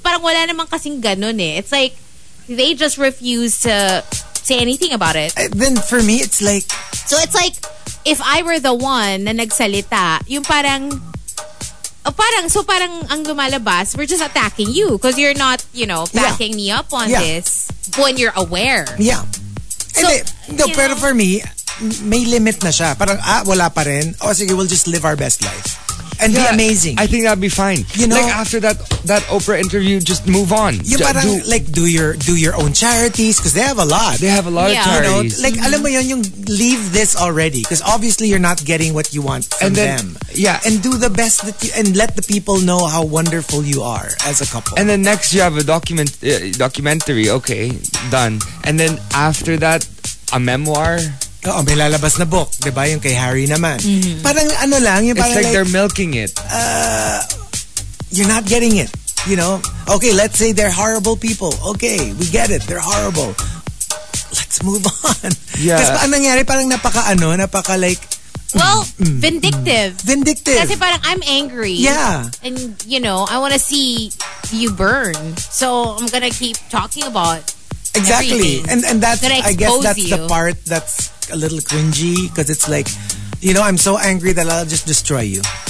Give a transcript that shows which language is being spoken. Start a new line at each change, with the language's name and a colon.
Filipino: Parang wala naman kasing ganun eh.
English: It's like, they just refuse to say anything about it. Then for me, it's like... So it's like, if I were the one
Filipino: na nagsalita, yung parang... Parang ang lumalabas,
English: we're just attacking you because you're not, you know, backing me up on this when you're aware. Yeah.
Filipino: Pero
English: for me,
Filipino: may limit na siya. Parang, wala pa rin.
English: Sige, we'll just live our best life. And be amazing. I think that'd be fine. You know? Like, after that Oprah interview, just move on. Do your own charities because they have a lot. They have a lot of charities. You know, like,
Filipino: alam mo yun, yung
English: leave this already because obviously you're not getting what you want from them. Yeah. And do the best that you... And let the people know how wonderful you are as a couple. And then next, you have a documentary. Okay, done. And then after that, a memoir...
Filipino: Oo, may lalabas na book, di ba? Yung kay Harry naman. Mm-hmm. Parang ano lang, yung parang
English: it's like they're milking it. You're not getting it, you know? Okay, let's say they're horrible people. Okay, we get it, they're horrible. Let's move on. Yeah.
Filipino: Kasi ang nangyari, parang napaka like...
English: Well, vindictive. Vindictive.
Filipino: Kasi parang
English: I'm angry. Yeah. And, you know, I want to see you burn. So I'm gonna keep talking about... Exactly. Everything. And that's the part that's a little cringy because it's like, you know, I'm so angry that I'll just destroy you.